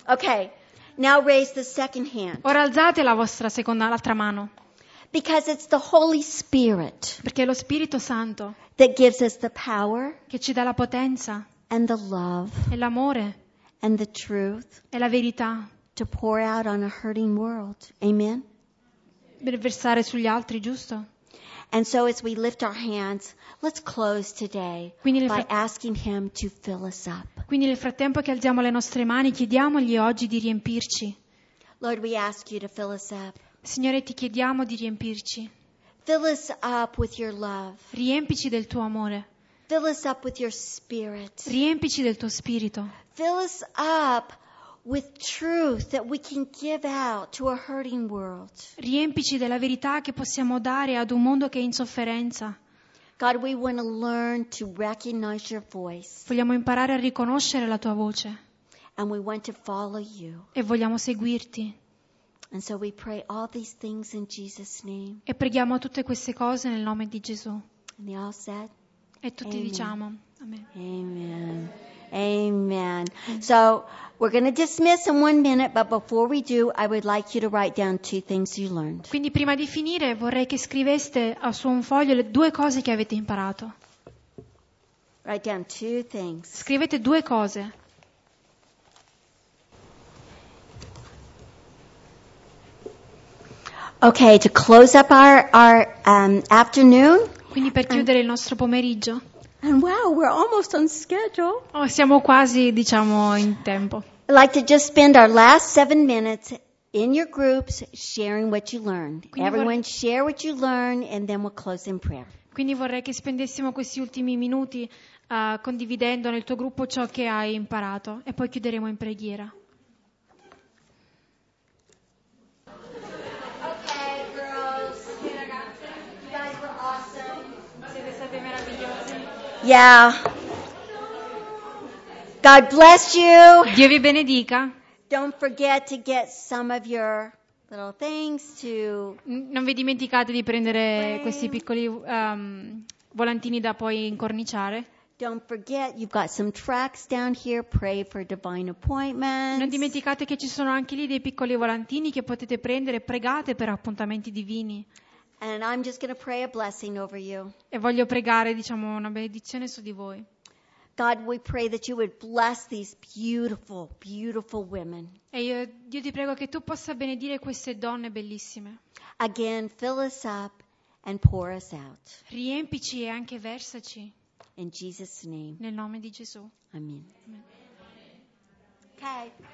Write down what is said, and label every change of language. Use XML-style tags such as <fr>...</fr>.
<en>Okay. Now raise the second hand.</en> <it>Ora alzate la vostra seconda, l'altra mano.</it> <en>Because it's the Holy Spirit.</en> <it>Perché è lo Spirito Santo.</it> <en>That gives us the power.</en> <it>Che ci dà la potenza.</it> <en>And the love.</en> <it>E l'amore.</it> <en>And the truth.</en> <it>E la verità.</it> <en>To pour out on a hurting world. Amen.</en> <it>Per versare sugli altri, giusto?</it> <en>And so as we lift our hands, let's close today by asking him to fill us up.</en> <it>Quindi nel frattempo che alziamo le nostre mani, chiediamogli oggi di riempirci.</it> <en>Lord, we ask you to fill us up.</en> <it>Signore, ti chiediamo di riempirci.</it> <en>Fill us up with your love.</en> <it>Riempici del tuo amore.</it> <en>Fill us up with your spirit.</en> <it>Riempici del tuo spirito.</it> <en>Fill us up with truth that we can give out to a hurting world.</en> <it>Riempici della verità che possiamo dare ad un mondo che è in sofferenza.</it> <en>God, we want to learn to recognize your voice.</en> <it>Vogliamo imparare a riconoscere la tua voce.</it> <en>And we want to follow you.</en> <it>E vogliamo seguirti.</it> <en>And so we pray all these things in Jesus' name.</en> <it>E preghiamo tutte queste cose nel nome di Gesù.</it> <en>And they all said,</en> <it>e tutti</it> <en>amen.</en> <it>Diciamo amen.</it> <en>Amen. Amen. So we're going to dismiss in 1 minute, but before we do, I would like you to write down 2 things you learned.</en> <it>Quindi prima di finire vorrei che scriveste su un foglio le 2 cose che avete imparato.</it> <en>Write down 2 things.</en> <it>Scrivete 2 cose.</it> <en>Okay, to close up our afternoon.</en> <it>Quindi per chiudere il nostro pomeriggio.</it> <en>And wow, we're almost on schedule.</en> <it>Oh, siamo quasi, diciamo, in tempo.</it> <en>I'd like to just spend our last 7 minutes in your groups sharing what you learned.</en> <it>Quindi</it> <en>everyone share what you learned and then we'll close in prayer.</en> <it>Quindi vorrei che spendessimo questi ultimi minuti condividendo nel tuo gruppo ciò che hai imparato e poi chiuderemo in preghiera.</it> <en>Yeah. God bless you.</en> <it>Dio vi benedica.</it> <en>Don't forget to get some of your little things to.</en> <it>Non vi dimenticate di prendere questi piccoli volantini da poi incorniciare.</it> <en>Don't forget you've got some tracks down here. Pray for divine appointments.</en> <it>Non dimenticate che ci sono anche lì dei piccoli volantini che potete prendere. Pregate per appuntamenti divini.</it> <en>And I'm just going to pray a blessing over you.</en> <it>E voglio pregare, diciamo, una benedizione su di voi.</it> <en>God, we pray that you would bless these beautiful, beautiful women.</en> <it>E io, Dio, ti prego che tu possa benedire queste donne bellissime.</it> <en>Again, fill us up and pour us out.</en> <it>Riempici e anche versaci.</it> <en>In Jesus' name.</en> <it>Nel nome di Gesù.</it> <en>Amen. Amen. Okay.</en>